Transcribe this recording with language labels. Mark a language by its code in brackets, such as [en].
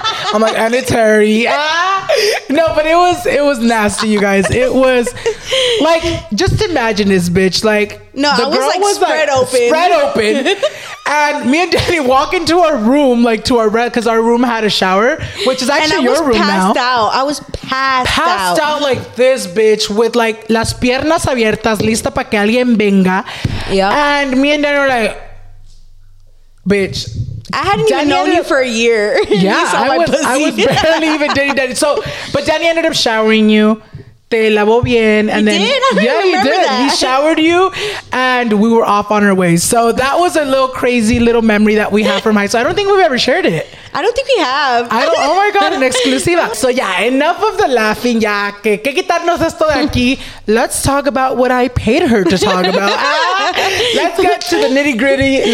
[en] I'm like, and it's hairy. No, but it was nasty, you guys. It was like, just imagine this bitch. Like, no, I was like spread open. And me and Danny walk into our room, like to our bed, because our room had a shower, which is actually your room now. And I was passed out like this bitch with like [es] las piernas abiertas, lista para que alguien venga. [en] Yeah. And me and Danny were like, bitch. I hadn't even known you for a year. Yeah, I was barely even dating Danny. So, but Danny ended up showering you. [es] Te lavó bien. [en] He showered you and we were off on our way. So that was a little crazy little memory that we have from high school. I don't think we've ever shared it. I don't think we have. I don't. Oh my God, an exclusiva. So yeah, enough of the laughing. [es] Ya que quitarnos esto de aquí. [en] Let's talk about what I paid her to talk about. Let's get to the nitty gritty.